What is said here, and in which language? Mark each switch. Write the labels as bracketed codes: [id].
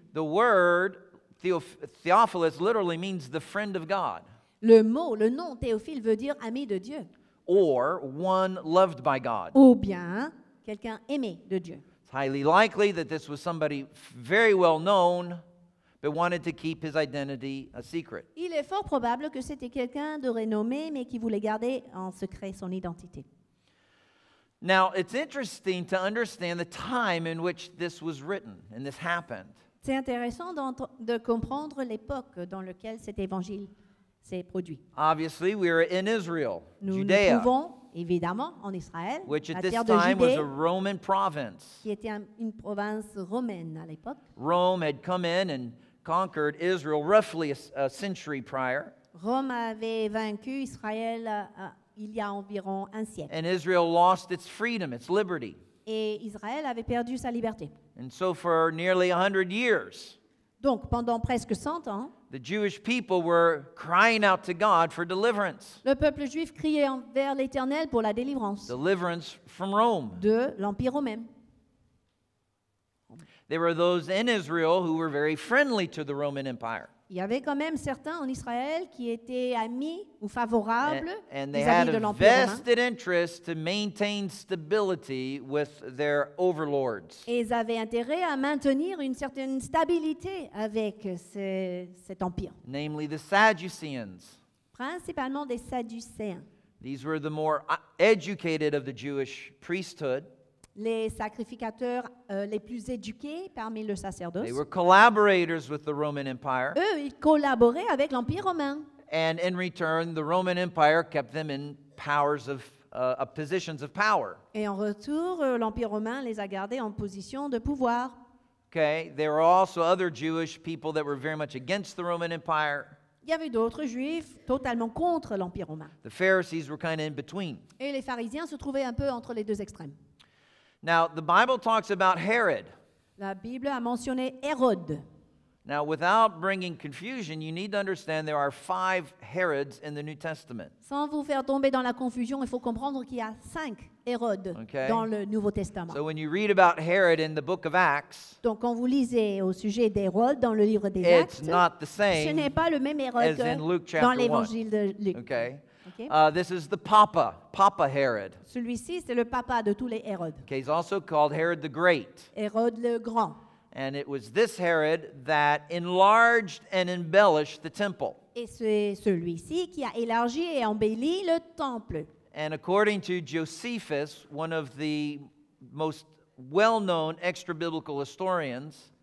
[en] The word Theophilus literally means the friend of God. [fr] Le mot, le nom Théophile veut dire ami de Dieu. [en] Or one loved by God. [fr] Ou bien quelqu'un aimé de Dieu. [en] It's highly likely that this was somebody very well known, but wanted to keep his identity a secret. [fr] Il est fort probable que c'était quelqu'un de renommé, mais qui voulait garder en secret son identité. [en] Now it's interesting to understand the time in which this was written and this happened. [fr] C'est intéressant de comprendre l'époque dans laquelle cet évangile s'est produit. [en] Obviously, we are in Israel, [fr] nous [en] Judea. [fr] Nous vivons évidemment en Israël, [en] which [fr] la [en] at [fr] terre [en] this [fr] de [en] time [fr] Judée, [en] was a Roman province. [fr] Qui était une province romaine à l'époque. [en] Rome had come in and conquered Israel roughly a century prior. [fr] Rome avait vaincu Israël il y a environ un siècle. [en] And Israel lost its freedom, its liberty. [fr] Et Israël avait perdu sa liberté. [en] And so for nearly 100 years, [fr] donc pendant presque 100 ans, [en] the Jewish people were crying out to God for deliverance. [fr] Le peuple juif criait vers l'Éternel pour la délivrance. [en] Deliverance from Rome. [fr] De l'Empire romain. [en] There were those in Israel who were very friendly to the Roman Empire. [fr] Il y avait quand même certains en Israël qui étaient amis ou favorables vis-à-vis de l'Empire romain. [en] And they had a vested interest to maintain stability with their overlords. [fr] Et ils avaient intérêt à maintenir une certaine stabilité avec cet empire. [en] Namely the Sadducees. [fr] Principalement des Sadducéens. [en] These were the more educated of the Jewish priesthood. [fr] Les sacrificateurs les plus éduqués parmi le sacerdoce. [en] They were collaborators with the Roman Empire. [fr] Eux, ils collaboraient avec l'Empire romain. [en] And in return, the Roman Empire kept them in powers of positions of power. [fr] Et en retour, l'Empire romain les a gardés en position de pouvoir. [en] Okay, there were also other Jewish people that were very much against the Roman Empire. [fr] Il y avait d'autres juifs totalement contre l'Empire romain. [en] The Pharisees were kind of in between. [fr] Et les pharisiens se trouvaient un peu entre les deux extrêmes. [en] Now, the Bible talks about Herod. [fr] La Bible a mentionné Hérode. [en] Now, without bringing confusion, you need to understand there are 5 Herods in the New Testament. [fr] Sans vous faire tomber dans la confusion, il faut comprendre qu'il y a 5 Hérodes dans le Nouveau Testament. [en] So when you read about Herod in the book of Acts, [fr] donc quand vous lisez au sujet d'Hérode dans le livre des [en] Actes, it's not the same. [fr] Ce n'est pas le même Hérode [en] as in Luke chapter [fr] dans l'Évangile [en] 1. [fr] De Luc. [en] Okay. This is the Papa Herod. [fr] Celui-ci, c'est le papa de tous les Hérodes. [en] Okay, he's also called Herod the Great. [fr] Hérode le Grand. [en] And it was this Herod that enlarged and embellished the temple. [fr] Et c'est celui-ci qui a élargi et embelli le temple. [en] And according to Josephus, one of the most well-known extra-biblical historians,